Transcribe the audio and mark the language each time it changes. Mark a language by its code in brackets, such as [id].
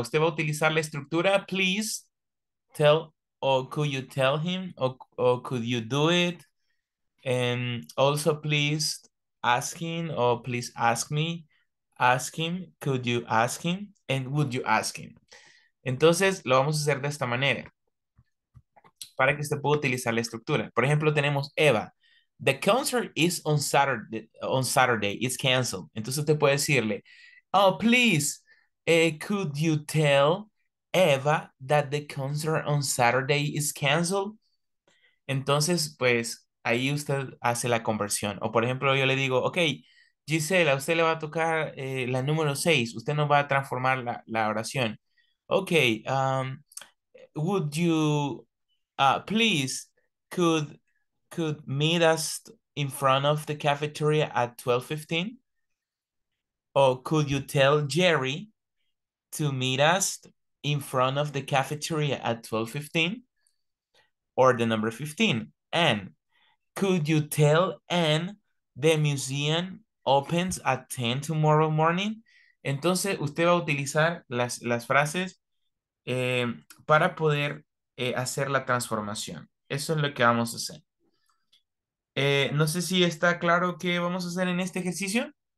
[es] Usted va a utilizar la estructura, [en] please tell, or could you tell him, or could you do it? And also please ask him, or please ask me. Ask him, could you ask him, and would you ask him? [es] Entonces, lo vamos a hacer de esta manera. Para que usted pueda utilizar la estructura. Por ejemplo, tenemos Eva. [en] The concert is on Saturday. It's canceled. [es] Entonces, usted puede decirle, [en] oh, please, could you tell Eva that the concert on Saturday is canceled? [es] Entonces, pues, ahí usted hace la conversión. O, por ejemplo, yo le digo, okay, Gisela, usted le va a tocar la número 6. Usted no va a transformar la oración. [en] Okay, would you, please, could meet us in front of the cafeteria at 12:15? Or could you tell Jerry to meet us in front of the cafeteria at 12:15? Or the number 15? And could you tell Anne the museum opens at 10 tomorrow morning? [es] Entonces, usted va a utilizar las frases para poder hacer la transformación. Eso es lo que vamos a hacer. No sé si está claro qué vamos a hacer en este ejercicio.